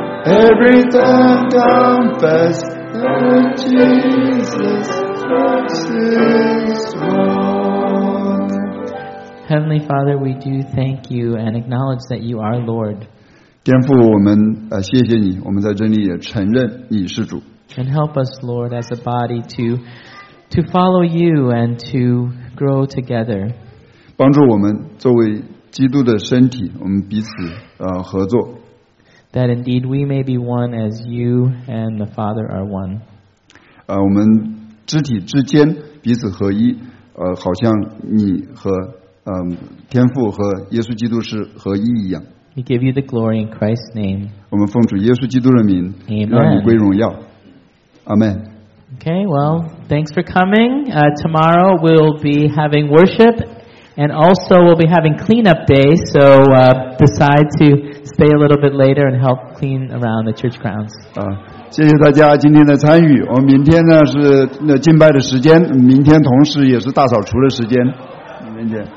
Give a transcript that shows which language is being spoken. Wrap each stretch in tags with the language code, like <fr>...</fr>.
<en>Every tongue confess that Jesus Christ is Lord. Heavenly Father, we do thank you and acknowledge that you are Lord.</en> <zh>天父，我们谢谢你，我们在这里也承认你是主。</zh> <en>And help us, Lord, as a body to follow you and to grow together.</en> <zh>帮助我们作为基督的身体，我们彼此合作。</zh> <en>That indeed we may be one as you and the Father are one.</en> <zh>我们肢体之间彼此合一，好像你和天父和耶稣基督是合一一样。</zh> <en>We give you the glory in Christ's name.</en> <zh>我们奉主耶稣基督的名，</zh> <en>Amen.</en> <zh>让你归荣耀。Amen.</zh> <en>Okay, well, thanks for coming. Tomorrow we'll be having worship, and also we'll be having cleanup day. So decide to stay a little bit later and help clean around the church grounds.</en> <zh>谢谢大家今天的参与。我们明天呢是敬拜的时间，明天同时也是大扫除的时间。明天见。</zh>